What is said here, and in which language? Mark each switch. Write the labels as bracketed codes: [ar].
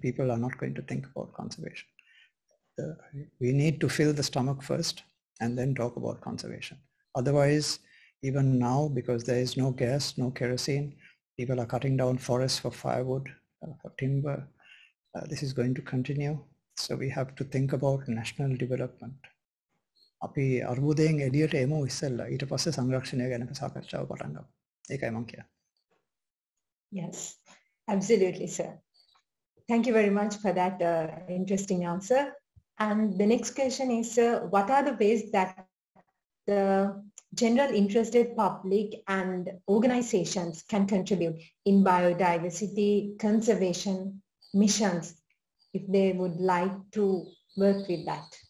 [en] People are not going to think about conservation. We need to fill the stomach first, and then talk about conservation. Otherwise, even now, because there is no gas, no kerosene, people are cutting down forests for firewood, for timber. This is going to continue. So we have to think about national development. [si] අපි අර්බුදයෙන් එළියට එමු ඉස්සෙල්ලා ඊට පස්සේ සංරක්ෂණය ගැන සාකච්ඡාව පටන් ගමු. ඒකයි මම කියන්නේ. [en] Yes, absolutely, sir. Thank you very much for that interesting answer. And the next question is, sir, what are the ways that the general interested public and organizations can contribute in biodiversity conservation missions if they would like to work with that?